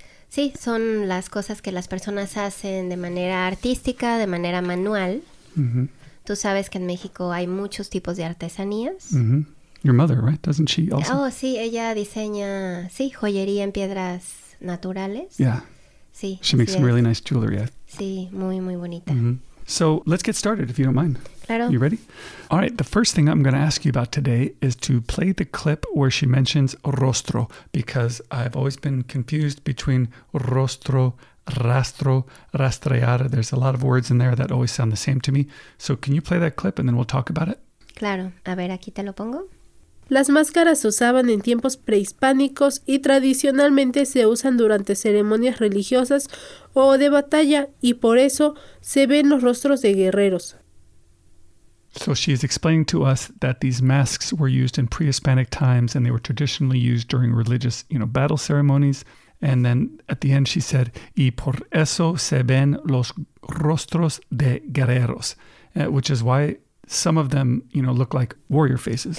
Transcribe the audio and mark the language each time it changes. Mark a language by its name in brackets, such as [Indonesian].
[Spanish] Sí, son las cosas que las personas hacen de manera artística, de manera manual. Mm-hmm. Tú sabes que en México hay muchos tipos de artesanías. [English] Mm-hmm. Your mother, right? Doesn't she also? [Spanish] Oh, sí, ella diseña, sí, joyería en piedras naturales. [English] Yeah. [Spanish] Sí. [English] She makes some really nice jewelry. [Spanish] Sí, muy, muy bonita. Mm-hmm. [English] So let's get started, if you don't mind. [Spanish] Claro. [English] You ready? All right, the first thing I'm going to ask you about today is to play the clip where she mentions rostro, because I've always been confused between rostro, rastro, rastrear. There's a lot of words in there that always sound the same to me. So can you play that clip and then we'll talk about it? [Spanish] Claro. A ver, aquí te lo pongo. Las máscaras se usaban en tiempos prehispánicos y tradicionalmente se usan durante ceremonias religiosas o de batalla, y por eso se ven los rostros de guerreros. [English] So she is explaining to us that these masks were used in pre-Hispanic times and they were traditionally used during religious, you know, battle ceremonies. And then at the end she said, [Spanish] y por eso se ven los rostros de guerreros, [English] which is why some of them, you know, look like warrior faces.